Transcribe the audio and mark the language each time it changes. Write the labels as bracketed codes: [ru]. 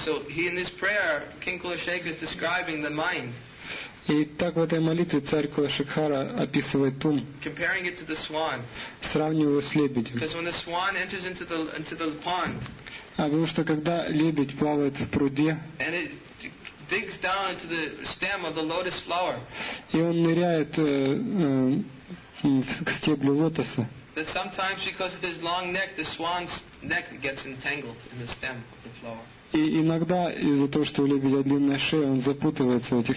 [en] So, in this prayer, King Kulashekhar is describing the mind. [ru] И так в этой молитве царь Кулашекхара описывает ум, [en] comparing it to the swan. [ru] Сравнивая его с лебедем. [en] Because when the swan enters into the pond, [ru] потому что когда лебедь плавает в пруде, [en] and it digs down into the stem of the lotus flower, [ru] и он ныряет к стеблю лотоса, [en] that sometimes because of his long neck, the swan's neck gets entangled in the stem of the flower. [ru] И иногда из-за того, что у лебедя длинная шея, он запутывается в этих